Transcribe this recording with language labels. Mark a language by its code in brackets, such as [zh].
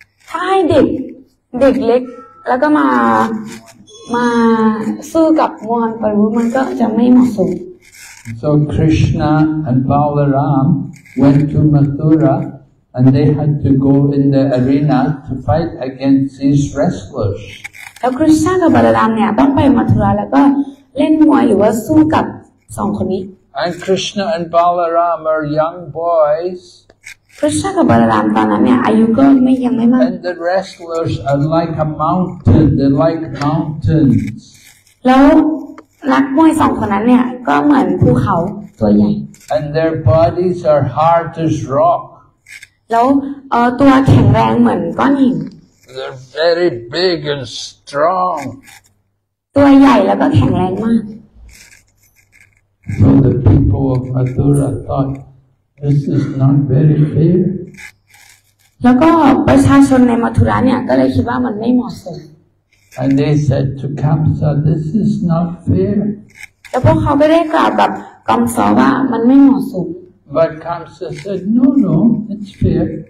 [th] ถ้าให้เด็กเล็กแล้วก็มาสู้กับมอหันไปมันก็จะไม่เหมาะสม [en] So Krishna and Balaram went to Mathura. And they had to go in the arena to fight against these wrestlers. [th] แล้วคริสต์กับบาลารามเนี่ยต้องไปมัทุราแล้วก็เล่นมวยหรือว่าสู้กับสองคนนี้ [en] And Krishna and Balaram are young boys. [th] คริสต์กับบาลารามตอนนั้นเนี่ยอายุก็ไม่มาก [en] And the wrestlers are like a mountain. They're like mountains. [th] แล้วนักมวยสองคนนั้นเนี่ยก็เหมือนภูเขาตัวใหญ่ [en] And their bodies are hard as rock. [th] แล้วตัวแข็งแรงเหมือนก้อนหิน [en] They're very big and strong [th] ตัวใหญ่แล้วก็แข็งแรงมาก [en] So the people of Mathura thought this is not very fair [th] แล้วก็ประชาชนในมัทุราเนี่ยก็เลยคิดว่ามันไม่เหมาะสม [en] And they said to Kamsa this is not fair [th] แล้วพวกเขาก็ได้กล่าวกับกำสอว่ามันไม่เหมาะสม [en] But Kamsa said, no, it's fair.